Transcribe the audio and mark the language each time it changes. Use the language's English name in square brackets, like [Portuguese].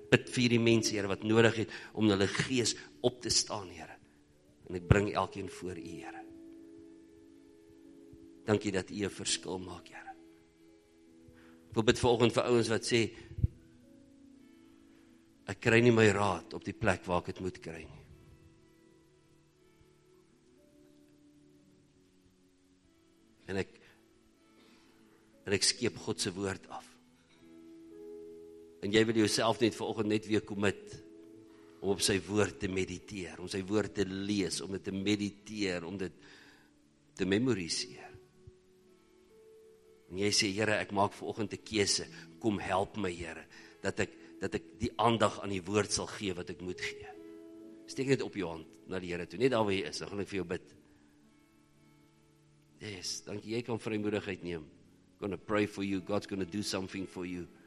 [Afrikaans] Ek bid vir hierdie mense, Here, wat nodig het om hulle gees op te staan, Here. En ek bring elkeen voor u, Here. Dankie dat u 'n verskil maak, Here. Ek wil bid vanoggend vir ouens wat sê, ek kry nie my raad op die plek waar ek het moet kry nie. En ek skeep God se woord af. En jy wil jouself net vanoggend net weer commit om op sy woord te mediteer, om sy woord te lees, om dit te mediteer, om dit te memoriseer. En jy sê, Here, ek maak vanoggend 'n keuse, kom help my, Here, dat ek die aandag aan die woord sal gee wat ek moet gee. Steek net op jou hand na die Here toe, net daar waar jy is, dan gaan ek vir jou bid. Yes, dankie, jy kan vrymoedigheid neem. [English] Gonna pray for you, God's gonna do something for you.